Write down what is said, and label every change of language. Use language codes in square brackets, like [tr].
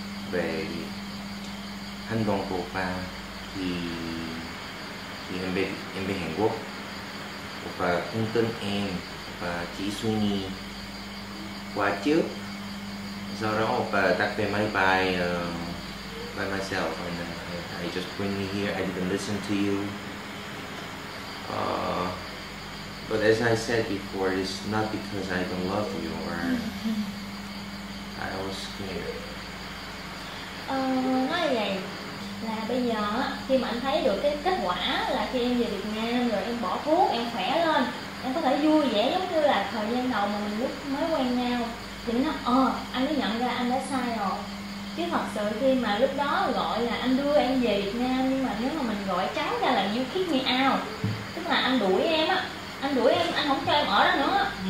[vi] về hành động của ba khi em về Hàn Quốc, và không tin em và chỉ suy nghĩ qua trước, sau đó và đặt về máy bay [en] by myself and I just bring me here, I didn't listen to you. But as I said before, it's not because I don't love you or I was scared. [vi] Nói vậy là bây giờ khi mà anh thấy được cái kết quả là khi em về Việt Nam rồi em bỏ thuốc, em khỏe lên, em có thể vui vẻ giống như là thời gian đầu mà mình lúc mới quen nhau, thì nó anh mới nhận ra anh đã sai rồi. Chứ thật sự khi mà lúc đó gọi là anh đưa em về Việt Nam, nhưng mà nếu mà mình gọi trắng ra là [en] you kick me out, [vi] tức là anh đuổi em á, anh đuổi em, anh không cho em ở đó nữa.